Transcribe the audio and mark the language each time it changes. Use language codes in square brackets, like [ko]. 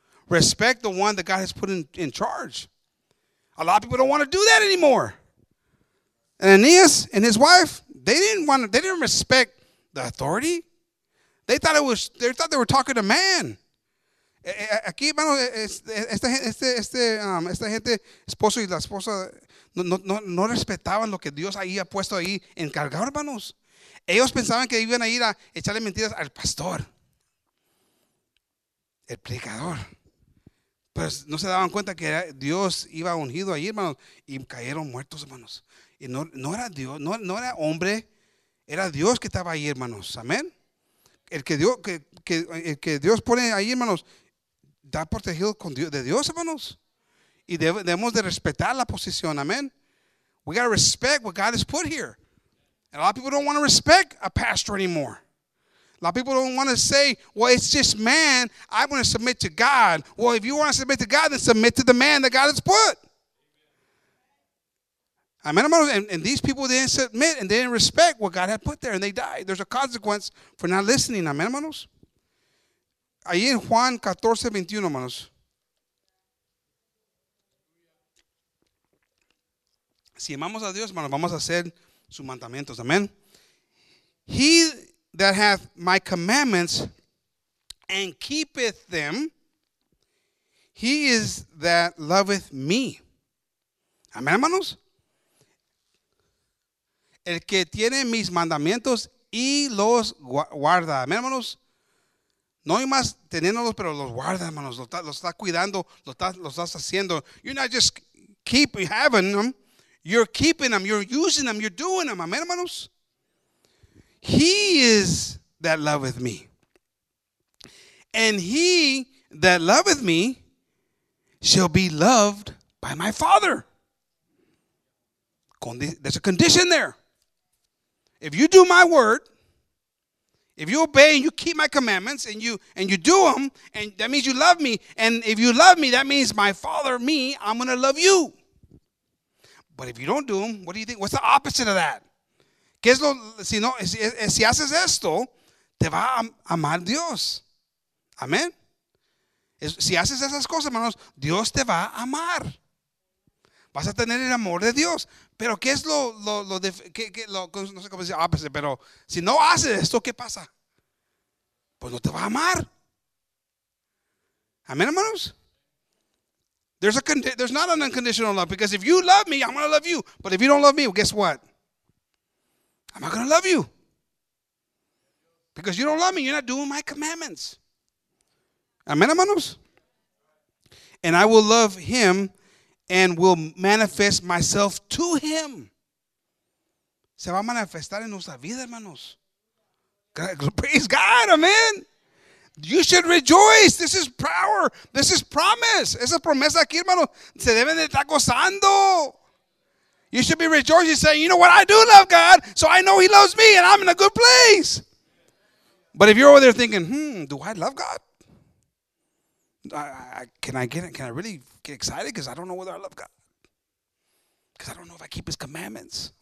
[en] respect the one that God has put in charge. A lot of people don't want to do that anymore. And Aeneas and his wife, they didn't respect the authority. They thought they were talking to man. [es] Aquí, hermano, esta gente, esposo y la esposa, no respetaban lo que Dios había puesto ahí encargado, hermanos. Ellos pensaban que iban a ir a echarle mentiras al pastor, el predicador. Pues no se daban cuenta que Dios iba ungido ahí, hermanos, y cayeron muertos, hermanos. Y no era Dios, no era hombre, era Dios que estaba ahí, hermanos. Amén. El que Dios pone ahí, hermanos, está protegido con Dios, de Dios, hermanos. Y debemos de respetar la posición. Amén. [en] We got to respect what God has put here. And a lot of people don't want to respect a pastor anymore. A lot of people don't want to say, well, it's just man. I want to submit to God. Well, if you want to submit to God, then submit to the man that God has put. Amen, hermanos. And these people didn't submit and they didn't respect what God had put there. And they died. There's a consequence for not listening. Amen, hermanos. [es] Ahí en Juan 14, 21, hermanos. Si amamos a Dios, hermanos, vamos a hacer sus mandamientos. Amén. [en] He that hath my commandments and keepeth them, he is that loveth me. [es] Amén, hermanos. El que tiene mis mandamientos y los guarda. Amén, hermanos. No hay más teniéndolos, pero los guarda, hermanos. Los está cuidando, los estás haciendo. [en] You're not just keeping having them. You're keeping them, you're using them, you're doing them. Amen, hermanos. He is that loveth me. And he that loveth me shall be loved by my Father. There's a condition there. If you do my word, if you obey and you keep my commandments and you do them, and that means you love me. And if you love me, that means my Father, me, I'm going to love you. But if you don't do them, what do you think? What's the opposite of that? [es] ¿Qué es lo, si no, si haces esto, te va a amar Dios? Amén. Si haces esas cosas, hermanos, Dios te va a amar. Vas a tener el amor de Dios. Pero ¿qué es lo no sé cómo decir opposite, pero si no haces esto, ¿qué pasa? Pues no te va a amar. Amén, hermanos. [en] There's not an unconditional love, because if you love me, I'm going to love you. But if you don't love me, well, guess what? I'm not going to love you. Because you don't love me, you're not doing my commandments. Amen, hermanos. And I will love him and will manifest myself to him. [es] Se va a manifestar en nuestra vida, hermanos. [en] Praise God, amen. You should rejoice. This is power. This is promise. [es] Esa promesa aquí, hermano, se deben de estar gozando. [en] You should be rejoicing, saying, you know what, I do love God, so I know he loves me, and I'm in a good place. But if you're over there thinking, do I love God? Can I really get excited because I don't know whether I love God? Because I don't know if I keep his commandments.